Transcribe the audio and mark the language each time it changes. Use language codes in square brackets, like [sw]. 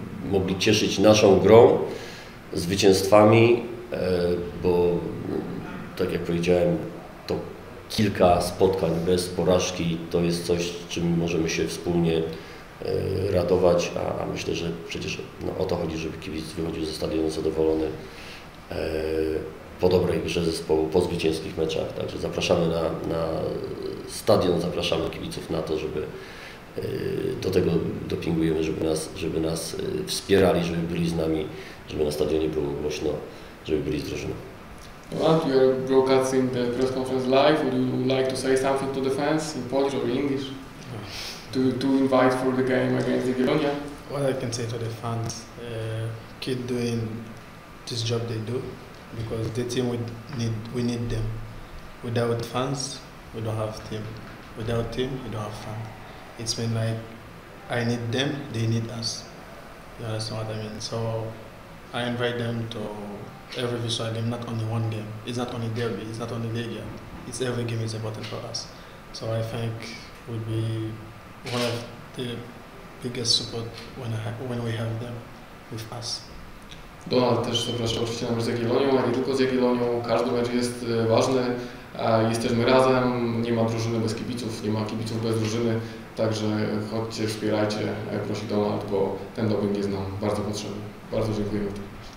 [pl] mogli cieszyć naszą grą, zwycięstwami, bo tak jak powiedziałem, to kilka spotkań bez porażki to jest coś, czym możemy się wspólnie radować, a myślę, że przecież no, o to chodzi, żeby kibic wychodził ze stadionu zadowolony po dobrej grze zespołu, po zwycięskich meczach. Także zapraszamy na stadion, zapraszamy kibiców na to, żeby do tego dopingujemy, żeby nas wspierali, żeby byli z nami, żeby na stadionie było głośno, żeby byli z drużyną. [en] Well, you're broadcasting the press conference live. Would you like to say something to the fans in Polish or English to invite for the game against Jagiellonia? What I can say to the fans, keep doing this job they do, because the team we need them. Without fans, we don't have team. Without team, we don't have fans. It's been like, I need them, they need us. You understand what I mean? So I invite them to every visual game, not only one game. It's not only derby, it's not only league game. It's every game is important for us. So I think we'll be one of the biggest support when we have them with us. [pl] Donald też zaprasza oczywiście na mecz z Jagiellonią, a nie tylko z Jagiellonią. Każdy mecz jest ważny. Jesteśmy razem, nie ma drużyny bez kibiców, nie ma kibiców bez drużyny. Także chodźcie, wspierajcie, prosi Donald, bo ten doping jest nam bardzo potrzebny. Bardzo dziękujemy.